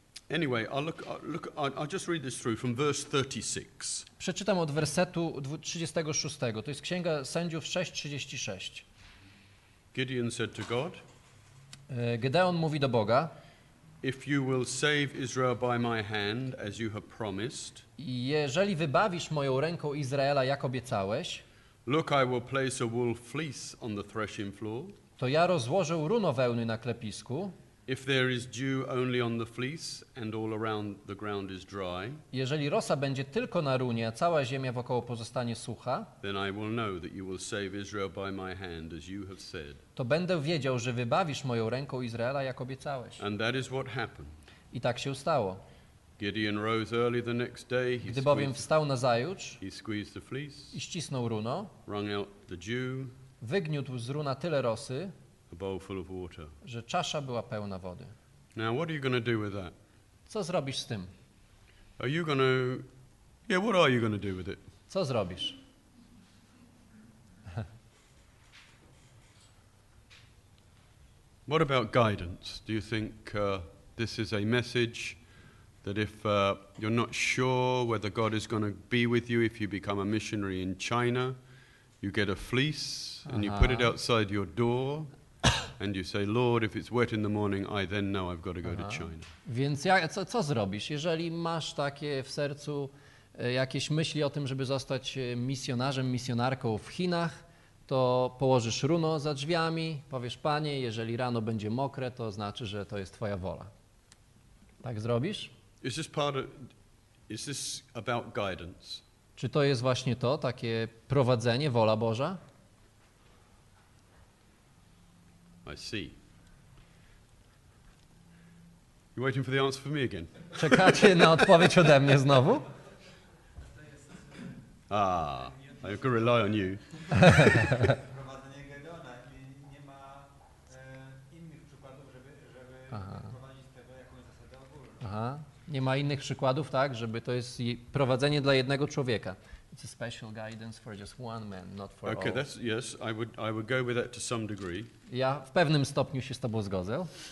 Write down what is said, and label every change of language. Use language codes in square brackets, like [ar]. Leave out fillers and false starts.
[en] Anyway, I'll just read this through from verse 36. [pl] Przeczytam od wersetu 36. To jest Księga Sędziów 6:36. [en] Gideon said to God. [pl] Gideon mówi do Boga. [en] If you will save Israel by my hand, as you have promised. [pl] Jeżeli wybawisz moją ręką Izraela, jak obiecałeś. [en] Look, I will place a wool fleece on the threshing floor. [pl] To ja rozłożę runo wełny na klepisku. [en] If there is dew only on the fleece and all around the ground is dry. [pl] Jeżeli rosa będzie tylko na runie, a cała ziemia wokoło pozostanie sucha. [en] Then I will know that you will save Israel by my hand, as you have said. [pl] To będę wiedział, że wybawisz moją ręką Izraela, jak obiecałeś. [en] And that is what happened. [pl] I tak się stało. [en] Gideon rose early the next day. [pl] Gdy bowiem wstał nazajutrz. [en] He squeezed the fleece. [pl] I ścisnął runo. [en] Wrung out the dew. [pl] Wygniótł z runa tyle rosy. [en] A bowl full of water. [pl] Że czasza była pełna wody. [en] Now what are you going to do with that? [pl] Co zrobisz z tym? [en] Are you going to Yeah, what are you going to do with it? [pl] Co zrobisz? [en] What about guidance? Do you think this is a message that if you're not sure whether God is going to be with you if you become a missionary in China, you get a fleece and you put it outside your door and you say, Lord, if it's wet in the morning, I then know I've got to go to China. [pl] Więc ja, co zrobisz, jeżeli masz takie w sercu jakieś myśli o tym, żeby zostać misjonarzem, misjonarką w Chinach, to położysz runo za drzwiami, powiesz, Panie, jeżeli rano będzie mokre, to znaczy, że to jest Twoja wola. Tak zrobisz? [en] Is this part of, is this about guidance? [pl] Czy to jest właśnie to, takie prowadzenie, wola Boża? [en] I see. You're waiting for the answer from me again. [pl] Czekacie na odpowiedź ode mnie znowu? [en] Ah, I've got to rely on you. [pl] Prowadzenie Gedeona i nie ma innych przykładów, żeby prowadzić tego jakąś zasadę ogólną. Aha. Nie ma innych przykładów, tak, żeby to jest prowadzenie dla jednego człowieka. [en] It's a special guidance for just one man, not for all. That's yes, I would go with that to some degree. [pl] Ja w pewnym stopniu się z tobą zgodzę.